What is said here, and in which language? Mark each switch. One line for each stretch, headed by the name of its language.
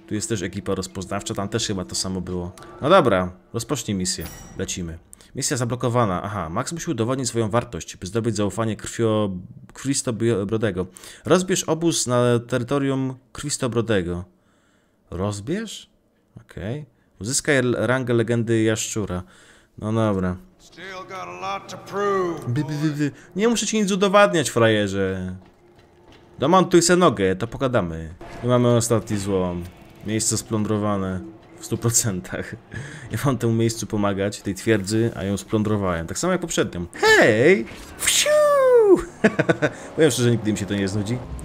Polish: Tu jest też ekipa rozpoznawcza, tam też chyba to samo było. No dobra, rozpocznij misję. Lecimy. Misja zablokowana. Aha, Max musi udowodnić swoją wartość, by zdobyć zaufanie Krwistobrodego. Rozbierz obóz na terytorium Krwistobrodego. Rozbierz? Okej. Okay. Uzyskaj rangę legendy Jaszczura. No dobra.
English: Still got a lot to prove, boy.
Polish: Nie muszę ci nic udowadniać, frajerze. Domontuj se nogę, to pogadamy. I mamy ostatni złom. Miejsce splądrowane. W 100%. Ja mam temu miejscu pomagać, tej twierdzy, a ją splądrowałem. Tak samo jak poprzednią. Hej! Wsiuuu! Powiem szczerze, że nigdy mi się to nie znudzi.